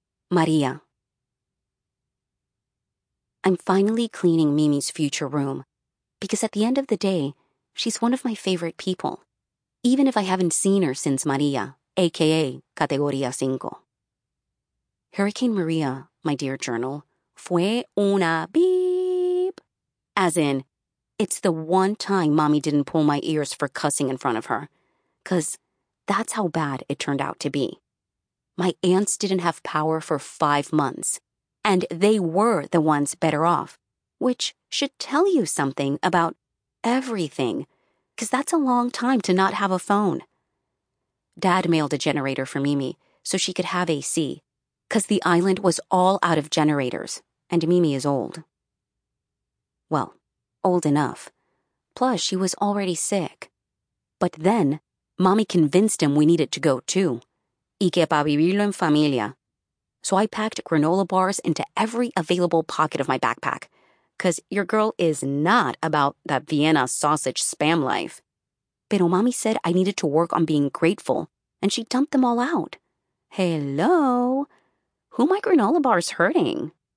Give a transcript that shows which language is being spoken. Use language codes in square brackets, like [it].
[en] Maria. I'm finally cleaning Mimi's future room, because at the end of the day, she's one of my favorite people. Even if I haven't seen her since Maria, a.k.a. Categoria 5. Hurricane Maria, my dear journal, [es] fue una [en] beep. As in, it's the one time mommy didn't pull my ears for cussing in front of her. Because that's how bad it turned out to be. My aunts didn't have power for 5 months. And they were the ones better off. Which should tell you something about everything. Because that's a long time to not have a phone. Dad mailed a generator for Mimi so she could have AC, because the island was all out of generators, and Mimi is old. Well, old enough. Plus, she was already sick. But then, Mommy convinced him we needed to go too. [es] Y que pa vivirlo en familia. [en] So I packed granola bars into every available pocket of my backpack, because your girl is not about that Vienna sausage spam life. Pero mommy said I needed to work on being grateful, and she dumped them all out. Hello? Who my granola bars hurting?